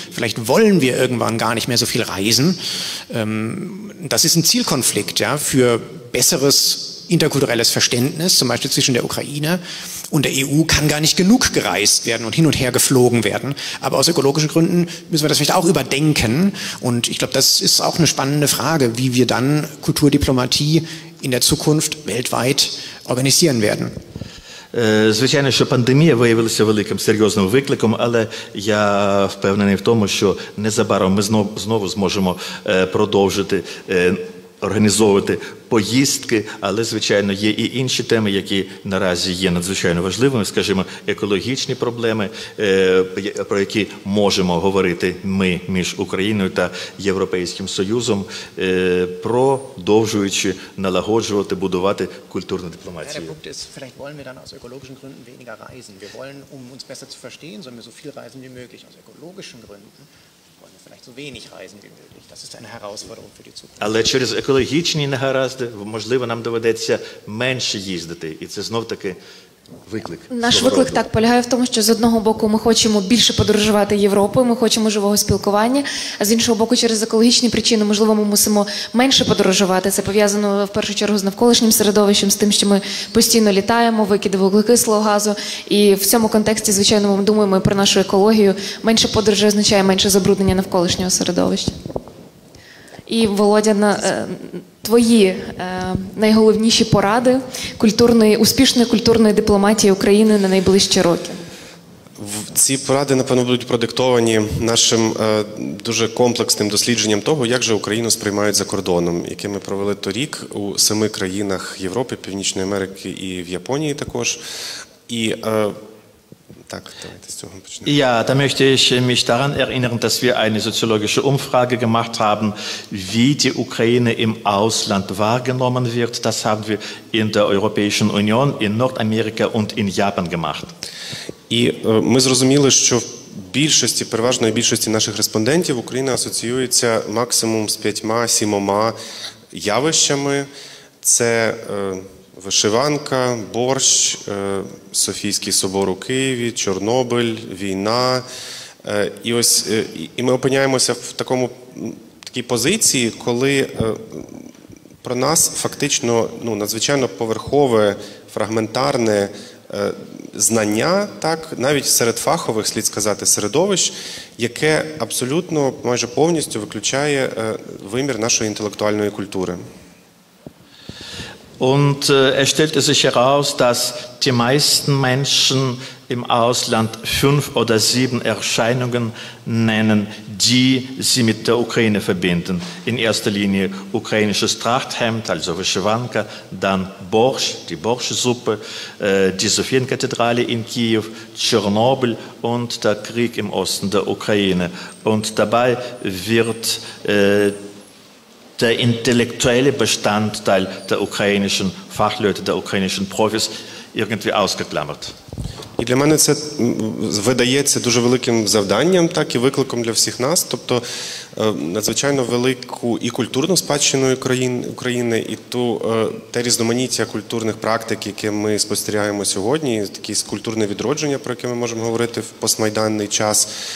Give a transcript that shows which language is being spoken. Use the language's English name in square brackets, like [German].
[German] Vielleicht wollen wir irgendwann gar nicht mehr so viel reisen. Das ist ein Zielkonflikt, ja, für besseres interkulturelles Verständnis, zum Beispiel zwischen der Ukraine und der EU, kann gar nicht genug gereist werden und hin und her geflogen werden. Aber aus ökologischen Gründen müssen wir das vielleicht auch überdenken. Und ich glaube, das ist auch eine spannende Frage, wie wir dann Kulturdiplomatie in der Zukunft weltweit organisieren werden. [Ukrainian] Звичайно, що пандемія виявилася великим, серйозним викликом, але я впевнений в тому, що незабаром ми знову зможемо продовжити організовувати поїздки, але, звичайно, є і інші теми, які наразі є надзвичайно важливими, скажімо, екологічні проблеми, про які можемо говорити ми між Україною та Європейським Союзом, продовжуючи налагоджувати, будувати культурну дипломацію. [German] Der Punkt ist, vielleicht wollen wir dann aus ökologischen Gründen weniger reisen. Wir wollen, um uns besser zu verstehen, sollen wir so viel reisen wie möglich aus ökologischen Gründen. Vielleicht so wenig reisen wie möglich. Das ist eine Herausforderung für die Zukunft. [Ukrainian] Але через екологічні негаразди, можливо, нам доведеться менше їздити. І це знов-таки виклик. Наш виклик так полягає в тому, що з одного боку ми хочемо більше подорожувати Європою, ми хочемо живого спілкування, а з іншого боку через екологічні причини, можливо, ми мусимо менше подорожувати. Це пов'язано в першу чергу з навколишнім середовищем, з тим, що ми постійно літаємо, викиди вуглекислого газу, і в цьому контексті, звичайно, ми думаємо про нашу екологію. Менше подорожей означає менше забруднення навколишнього середовища. І Володя на твої найголовніші поради культурної успішної культурної дипломатії України на найближчі роки? Ці поради, напевно, будуть продиктовані нашим дуже комплексним дослідженням того, як же Україну сприймають за кордоном, яке ми провели торік у 7 країнах Європи, Північної Америки і в Японії також. І так, давайте з цього почнемо. [German] Ja, da möchte ich mich daran erinnern, dass wir eine soziologische Umfrage gemacht haben, wie die Ukraine im Ausland wahrgenommen wird. Das haben wir in der Europäischen Union, in Nordamerika und in Japan gemacht. [Ukrainian] І ми зрозуміли, що в більшості, переважної більшості наших респондентів Україна асоціюється максимум з 5-7 явищами. Це вишиванка, борщ, Софійський собор у Києві, Чорнобиль, війна. І ось, і ми опиняємося в такому, такій позиції, коли про нас фактично, ну, надзвичайно поверхове, фрагментарне знання, так, навіть серед фахових, слід сказати, середовищ, яке абсолютно, майже повністю виключає вимір нашої інтелектуальної культури. [German] Und es stellte sich heraus, dass die meisten Menschen im Ausland 5 oder 7 Erscheinungen nennen, die sie mit der Ukraine verbinden. In erster Linie ukrainisches Trachthemd, also Vyshyvanka, dann Borsch, die Borschsuppe, die Sophienkathedrale in Kiew, Tschernobyl und der Krieg im Osten der Ukraine. Und dabei wird der intellektuelle Bestandteil der ukrainischen Fachleute, der ukrainischen Profis irgendwie ausgeklammert. [Ukrainian] І для мене це видається дуже великим завданням, так і викликом для всіх нас, тобто надзвичайно велику і культурну спадщину України, і ту, те різноманіття культурних практик, яке ми спостерігаємо сьогодні, таке культурне відродження, про яке ми можемо говорити в постмайданний час.